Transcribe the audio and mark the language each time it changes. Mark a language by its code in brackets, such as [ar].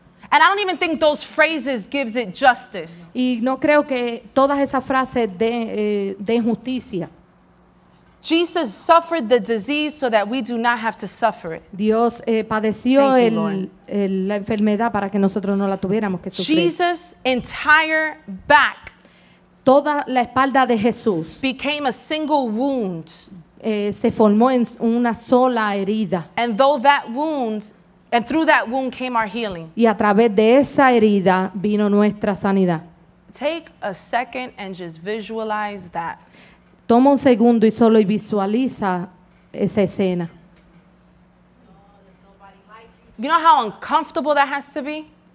[en] And I don't even think those phrases gives it justice. [es] Y no creo que todas esas frases den justicia. [en] Jesus suffered the disease so that we do not have to suffer it. [es] Dios padeció la enfermedad para que nosotros no la tuviéramos que sufrir. [en] Jesus' entire back. [es] Toda la espalda de Jesús. [en] Became a single wound. [es] Se formó en una sola herida. [en] And though that wound. And through that wound came our healing. [es] Y a través de esa herida vino nuestra sanidad. [en] Take a second and just visualize that. [es] Toma un segundo y solo visualiza esa escena. [en] You know how uncomfortable that has to be?